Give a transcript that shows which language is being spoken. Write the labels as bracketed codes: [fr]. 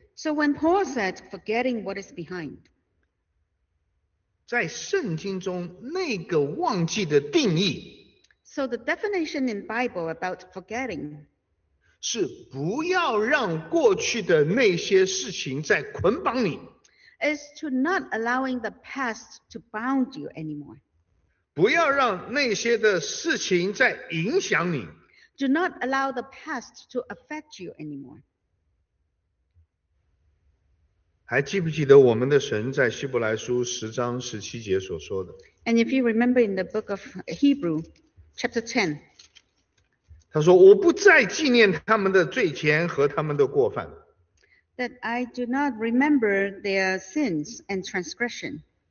[en] so when Paul said forgetting what is behind, [zh] 在圣经中那个忘记的定义, [en] so the definition in Bible about forgetting, [zh] 是不要让过去的那些事情在捆绑你, [en] is to not allowing the past to bound you anymore. [zh] 不要让那些的事情在影响你, [en] do not allow the past to affect you anymore. [zh] 还记不记得我们的神在希伯来书10章17节所说的, [en] and if you remember in the book of Hebrew, chapter 10, [zh] 他说我不再纪念他们的罪前和他们的过犯, [en] that I do not remember their sins and transgression.